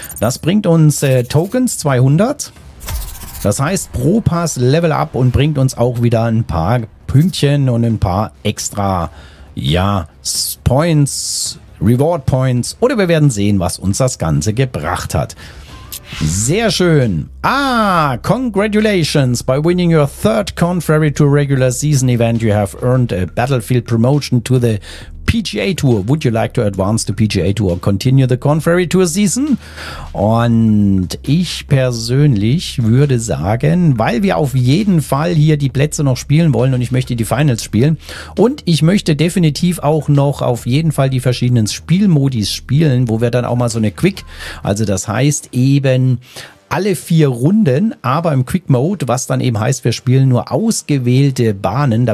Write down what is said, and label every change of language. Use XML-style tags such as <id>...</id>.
<de>Das bringt uns Tokens 200. Das heißt, pro Pass Level Up und bringt uns auch wieder ein paar Pünktchen und ein paar extra, ja, Points, Reward Points. Oder wir werden sehen, was uns das Ganze gebracht hat. Sehr schön. Ah,</de> <en>congratulations. By winning your third Korn Ferry Tour regular season event, you have earned a Battlefield promotion to the PGA Tour. Would you like to advance the PGA Tour or continue the Korn Ferry Tour season?</en> <de>Und ich persönlich würde sagen, weil wir auf jeden Fall hier die Plätze noch spielen wollen und ich möchte die Finals spielen und ich möchte definitiv auch noch auf jeden Fall die verschiedenen Spielmodis spielen, wo wir dann auch mal so eine Quick, also das heißt eben alle 4 Runden, aber im Quick Mode, was dann eben heißt, wir spielen nur ausgewählte Bahnen.</de>